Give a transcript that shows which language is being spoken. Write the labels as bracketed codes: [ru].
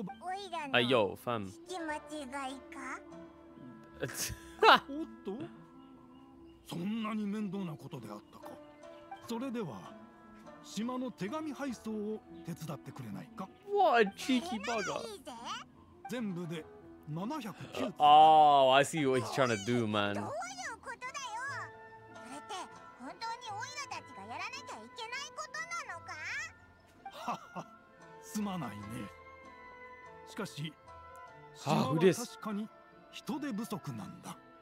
[ja] おいらの。 [en] あ、yo, fam. [ja] 聞き間違いか。おっと、そんなに面倒なことであったか。それでは島の手紙配送を手伝ってくれないか。 [en] わあ、チーキーバーガー。 [ja] 全部で709。 [en] ああ、I see what he's trying to do, man。 [ja] どういうことだよ。それって本当にオイラたちがやらなきゃいけないことなのか。すまないね。しかし、島は確かに人手不足なんだ。